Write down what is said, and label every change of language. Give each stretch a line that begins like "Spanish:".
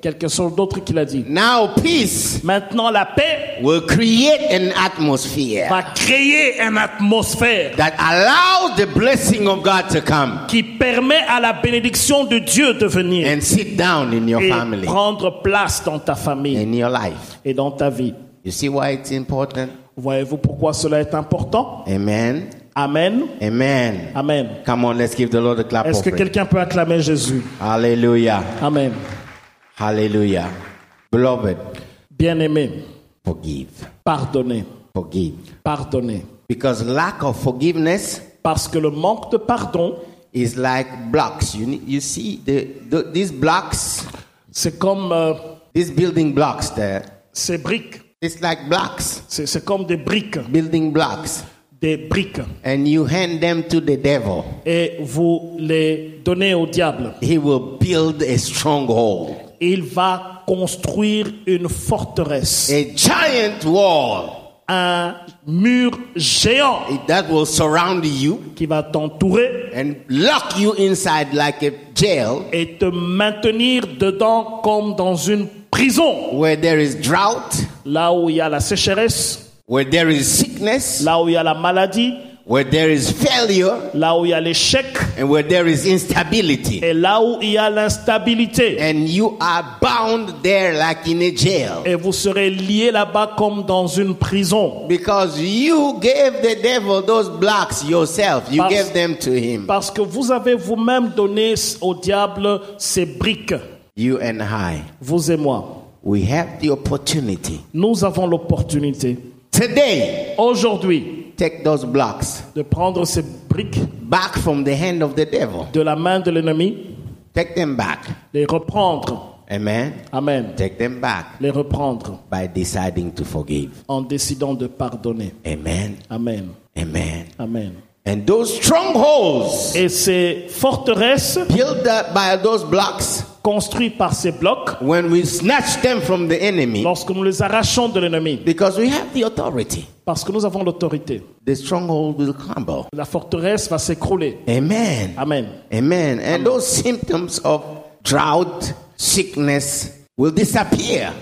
French: Quelque chose d'autre qu'il a dit.
English: Now peace,
French: maintenant la paix,
English: will create an atmosphere.
French: Va créer une atmosphère
English: that allows the blessing of God to come.
French: Qui permet à la bénédiction de Dieu de venir.
English: And sit down in your family.
French: Et prendre place dans ta famille.
English: In your life.
French: Et dans ta vie.
English: You see why it's important?
French: Voyez-vous pourquoi cela est important?
English: Amen.
French: Amen.
English: Amen.
French: Amen.
English: Come on, let's give the Lord a clap.
French: Est-ce que quelqu'un peut acclamer Jésus?
English: Hallelujah. Amen. Hallelujah. Beloved.
French: Bien-aimé.
English: Forgive.
French: Pardonnez.
English: Forgive.
French: Pardonnez.
English: Because lack of forgiveness,
French: parce que le manque de pardon,
English: is like blocks. You see these blocks?
French: C'est comme
English: these building blocks there.
French: Ces briques.
English: It's like blocks.
French: C'est comme des briques.
English: Building blocks.
French: Des briques.
English: And you hand them to the devil.
French: Et vous les donnez au diable.
English: He will build a stronghold.
French: Il va construire une forteresse.
English: A giant wall.
French: Un mur géant.
English: That will surround you.
French: Qui va t'entourer.
English: And lock you inside like a jail.
French: Et te maintenir dedans comme dans une prison.
English: Where there is drought.
French: Là où il y a la sécheresse.
English: Where there is sickness.
French: Là où il y a la maladie.
English: Where there is failure,
French: là où il y a l'échec,
English: and where there is instability,
French: et là où il y a l'instabilité,
English: and you are bound there like in a jail,
French: et vous serez lié là-bas comme dans une prison,
English: because you gave the devil those blocks yourself, you gave them to him,
French: parce que vous avez vous-même donné au diable ces briques.
English: You and I,
French: vous et moi,
English: we have the opportunity.
French: Nous avons l'opportunité
English: today.
French: Aujourd'hui.
English: Take those blocks.
French: De prendre ces briques.
English: Back from the hand of the devil.
French: De la main de l'ennemi.
English: Take them back.
French: Les reprendre.
English: Amen.
French: Amen.
English: Take them back.
French: Les reprendre.
English: By deciding to forgive.
French: En décidant de pardonner.
English: Amen.
French: Amen.
English: Amen.
French: Amen.
English: And those strongholds.
French: Et ces forteresses.
English: Built up by those blocks.
French: Construit par ces blocs.
English: When we snatch them from the enemy,
French: lorsque nous les arrachons de l'ennemi.
English: Because we have the authority,
French: parce que nous avons l'autorité.
English: The stronghold will crumble.
French: La forteresse va s'écrouler.
English: Amen.
French: Amen.
English: Amen. And Amen. Those symptoms of drought, sickness will disappear.